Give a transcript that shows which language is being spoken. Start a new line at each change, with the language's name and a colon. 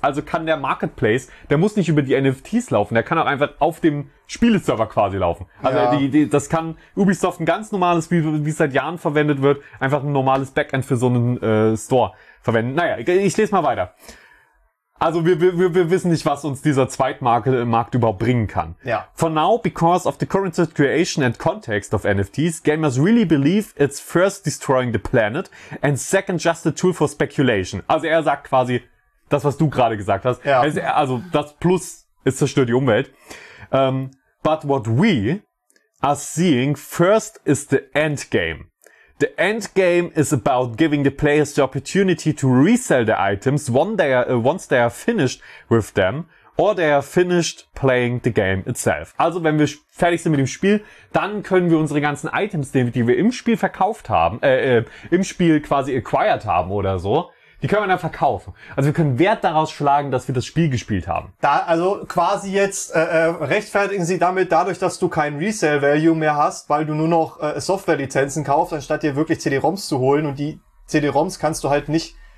German: Also kann der Marketplace, der muss nicht über die NFTs laufen, der kann auch einfach auf dem Spieleserver quasi laufen. Also das kann Ubisoft ein ganz normales, wie seit Jahren verwendet wird, einfach ein normales Backend für so einen Store verwenden. Naja, ich lese mal weiter. Also wir wissen nicht, was uns dieser Zweitmarkt überhaupt bringen kann. Ja.
English: For now, because of the current situation and context of NFTs, gamers really believe it's first destroying the planet and second just a tool for speculation.
German: Also er sagt quasi das, was du gerade gesagt hast. Ja. Also das Plus, es zerstört die Umwelt.
English: But what we are seeing first is the end game. The end game is about giving the players the opportunity to resell their items once they are finished with them or they are finished playing the game itself.
German: Also wenn wir fertig sind mit dem Spiel, dann können wir unsere ganzen Items, die wir im Spiel verkauft haben, im Spiel quasi acquired haben oder so, die können wir dann verkaufen. Also wir können Wert daraus schlagen, dass wir das Spiel gespielt haben. Da, also quasi jetzt rechtfertigen sie damit dadurch, dass du kein Resale-Value mehr hast, weil du nur noch Software-Lizenzen kaufst, anstatt dir wirklich CD-ROMs zu holen. Und die CD-ROMs kannst du halt nicht